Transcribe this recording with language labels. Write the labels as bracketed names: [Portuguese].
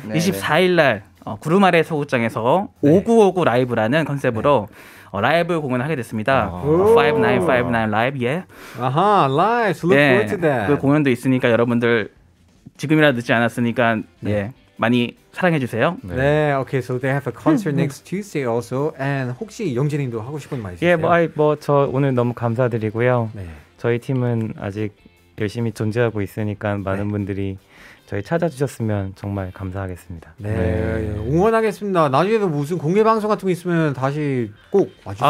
[Korean] 24일날. 구름 아래 소극장에서 네. 5959 라이브라는 컨셉으로 네. 라이브 공연을 하게 됐습니다. 5959 라이브 예. 아하, 라이브. [English] Look forward to that. [Korean] 그 공연도 있으니까 여러분들 지금이라 늦지 않았으니까 네. 예. 많이 사랑해 주세요. 네. 네. [English] Okay, so they have a concert next Tuesday also. [Korean] And 혹시 영진님도 하고 싶은 말 있으세요? 예, 저 오늘 너무 감사드리고요. 네. 저희 팀은 아직 열심히 존재하고 있으니까 많은 네. 분들이 저희 찾아주셨으면 정말 감사하겠습니다. 네, 네. 응원하겠습니다. 나중에도 무슨 공개 방송 같은 거 있으면 다시 꼭 와주세요.